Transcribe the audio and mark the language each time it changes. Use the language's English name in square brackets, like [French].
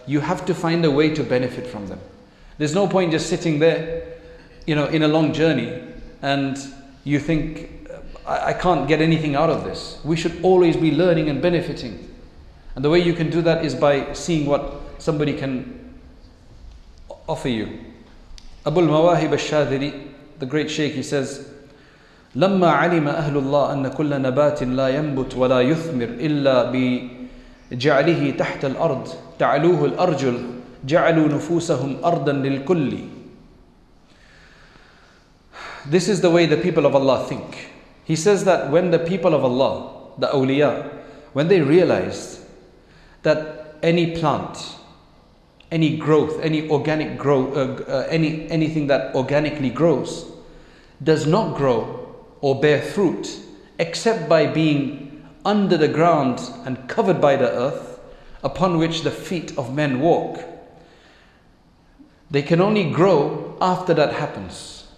[English] You have to find a way to benefit from them. There's no point just sitting there, you know, in a long journey and you think, I can't get anything out of this. We should always be learning and benefiting. And the way you can do that is by seeing what somebody can offer you. Abu al-Mawahib al-Shadhiri, the great Shaykh, he says, [Arabic] لَمَّا عَلِمَ أَهْلُ اللَّهِ أَنَّ كُلَّ نَبَاتٍ لَا يَنْبُتْ وَلَا يُثْمِرْ إِلَّا جعله تحت الأرض تعلوه الأرجل جعلوا نفوسهم أرضا للكل. [English] This is the way the people of Allah think. He says that when the people of Allah, the awliya, when they realized that any plant, any growth, any organic growth, anything that organically grows, does not grow or bear fruit except by being under the ground and covered by the earth upon which the feet of men walk, they can only grow after that happens.